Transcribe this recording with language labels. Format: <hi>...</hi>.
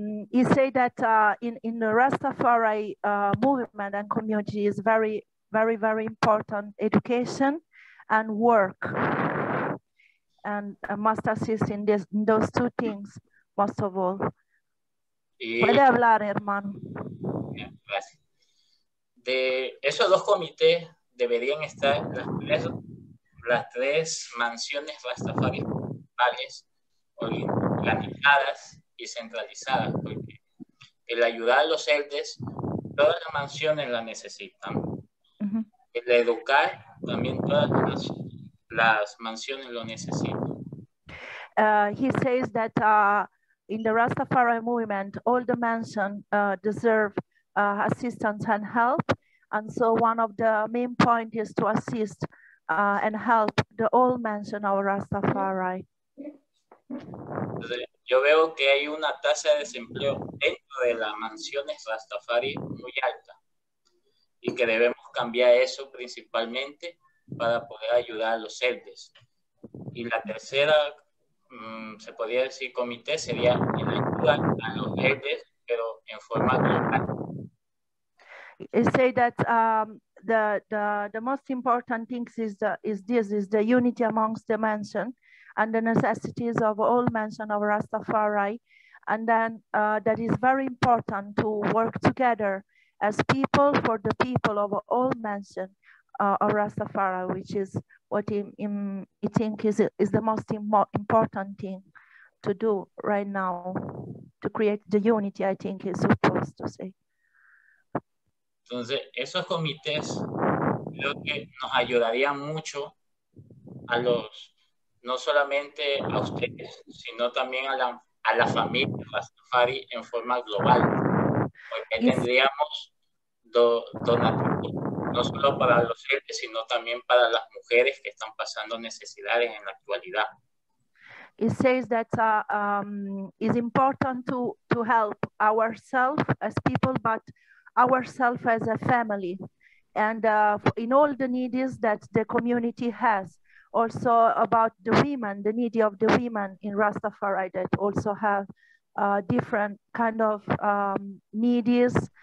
<en>You say that in the Rastafari movement and community is very, very, very important education and work. And must assist in those two things, most of all.</en> <es>¿Puede hablar, hermano? Gracias. De esos dos comités deberían estar las tres mansiones Rastafari principales organizadas y centralizadas, porque el ayudar a los celtes, todas las mansiones la necesitan. Uh-huh. El educar, también todas las mansiones lo necesitan.</es> <en>He says that in the Rastafari movement, all the mansions deserve assistance and help. And so one of the main points is to assist and help the old mansion of Rastafari.</en> <es>Yo veo que hay una tasa de desempleo dentro de las mansiones Rastafari muy alta y que debemos cambiar eso principalmente para poder ayudar a los celtes. Y la tercera, se podría decir comité, sería el ayuda a los celtes, pero en forma global.</es> <en>You say that the most important things is the unity amongst the mansion and the necessities of all mansion of Rastafari, and then that is very important to work together as people for the people of all mansion of Rastafari, which is what I think is the most important thing to do right now to create the unity. I think is supposed to say.</en> <es>Entonces, esos comités creo que nos ayudarían mucho a los, no solamente a ustedes, sino también a la familia Rastafari en forma global. Porque tendríamos donativos, no solo para los seres, sino también para las mujeres que están pasando necesidades en la actualidad.</es> <en>It says that it's important to help ourselves as people, but ourselves as a family, and in all the needs that the community has, also about the women, the needy of the women in Rastafari that also have different kind of needs.</en>